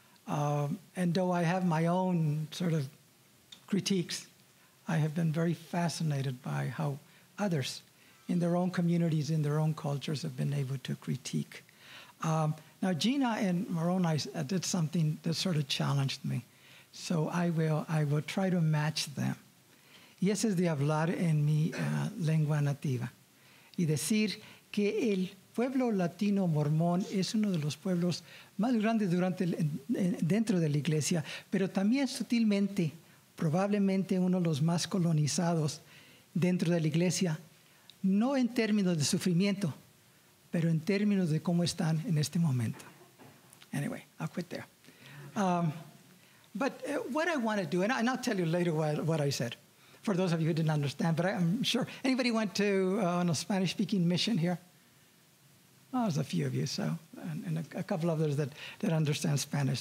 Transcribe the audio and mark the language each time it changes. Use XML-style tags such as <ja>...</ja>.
<en>And though I have my own sort of critiques, I have been very fascinated by how others in their own communities, in their own cultures, have been able to critique. Now, Gina and Moroni did something that sort of challenged me. So I will try to match them.</en> <es>Y ese es de hablar en mi lengua nativa y decir que el pueblo latino mormón es uno de los pueblos más grandes dentro de la iglesia, pero también sutilmente, probablemente uno de los más colonizados dentro de la iglesia, no en términos de sufrimiento, pero en términos de cómo están en este momento.</es> <en>Anyway, I'll quit there. But what I want to do, and I'll tell you later what I said, for those of you who didn't understand, but I'm sure anybody went to on a Spanish-speaking mission here? Oh, there's a few of you, so and a couple others that understand Spanish.</en>